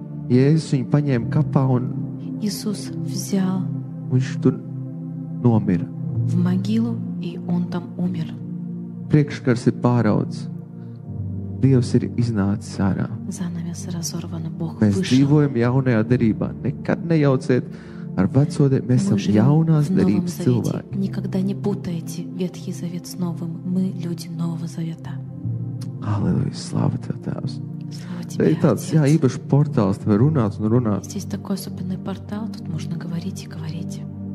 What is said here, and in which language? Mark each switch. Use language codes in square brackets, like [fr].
[lv] Jēzus viņu paņēma kapā un viņš tur nomira. [ru] В могилу, и он там умер. [lv] Priekškars ir pāraudz. Dievs ir iznācis ārā. [ru] Занавес разорван, Бог вышел. [lv] Mēs dzīvojam jaunajā derībā. Nekad nejauciet ar veco derību. Mēs esam jaunās derības cilvēki. [ru] Никогда не путайте Ветхий Завет с новым. Мы люди Нового Завета. Аллилуйя, слава Тебе, Тевс. Слава Тебе, Отец. [lv] Īpašs portāls, tev runāt un runāt. [ru] Здесь такой особенный портал, тут можно говорить и говорить.